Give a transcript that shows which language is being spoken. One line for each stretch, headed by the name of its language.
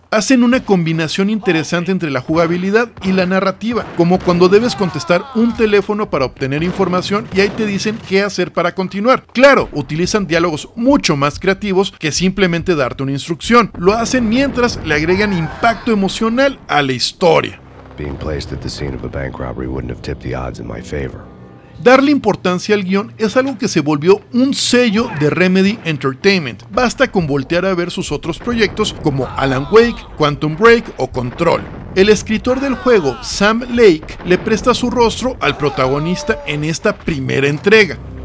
Spanish: Hacen una combinación interesante entre la jugabilidad y la narrativa, como cuando debes contestar un teléfono para obtener información y ahí te dicen qué hacer para continuar. Claro, utilizan diálogos mucho más creativos que simplemente darte una instrucción. Lo hacen mientras le agregan impacto emocional a la historia.
English: Being placed at the scene of a bank robbery wouldn't have tipped the odds in my favor.
Spanish: Darle importancia al guión es algo que se volvió un sello de Remedy Entertainment. Basta con voltear a ver sus otros proyectos como Alan Wake, Quantum Break o Control. El escritor del juego, Sam Lake, le presta su rostro al protagonista en esta primera entrega.